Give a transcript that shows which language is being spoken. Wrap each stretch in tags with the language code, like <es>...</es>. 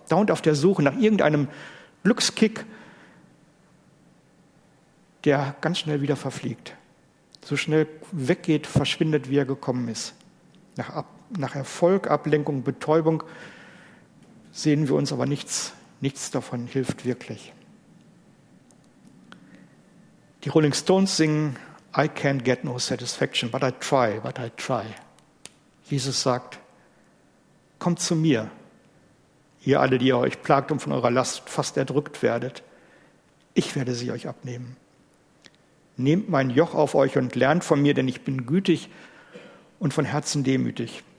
<de>Dauernd auf der Suche nach irgendeinem Glückskick, der ganz schnell wieder verfliegt. So schnell weggeht, verschwindet, wie er gekommen ist. Nach Erfolg, Ablenkung, Betäubung sehen wir uns, aber nichts davon hilft wirklich. Die Rolling Stones singen:</de> <en>I can't get no satisfaction, but I try, but I try.</en> <de>Jesus sagt: Kommt zu mir, ihr alle, die ihr euch plagt und von eurer Last fast erdrückt werdet. Ich werde sie euch abnehmen. Nehmt mein Joch auf euch und lernt von mir, denn ich bin gütig und von Herzen demütig.</de>